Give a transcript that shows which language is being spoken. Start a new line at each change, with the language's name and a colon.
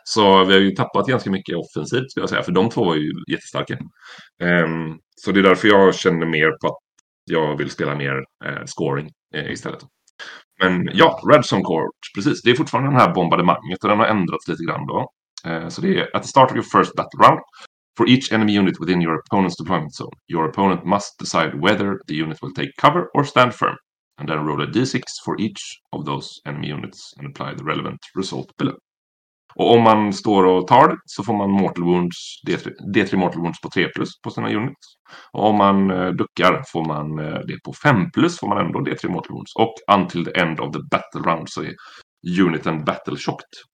Swedish: Så vi har ju tappat ganska mycket offensivt, skulle jag säga. För de två var ju jättestarka. Så det är därför jag känner mer på att jag vill spela mer scoring istället. Men ja, Red Zone Court, precis. Det är fortfarande den här bombardemanget och den har ändrats lite grann då.
English: Så det är, at the start of your first battle round, for each enemy unit within your opponent's deployment zone, your opponent must decide whether the unit will take cover or stand firm, and then roll a d6 for each of those enemy units and apply the relevant result below.
Swedish: Och om man står och tar det så får man mortal wounds, D3 mortal wounds på 3+ på sina units. Och om man duckar får man det på 5+, får man ändå D3 mortal wounds. Och
English: until the end of the battle round
Swedish: så är uniten battle shocked.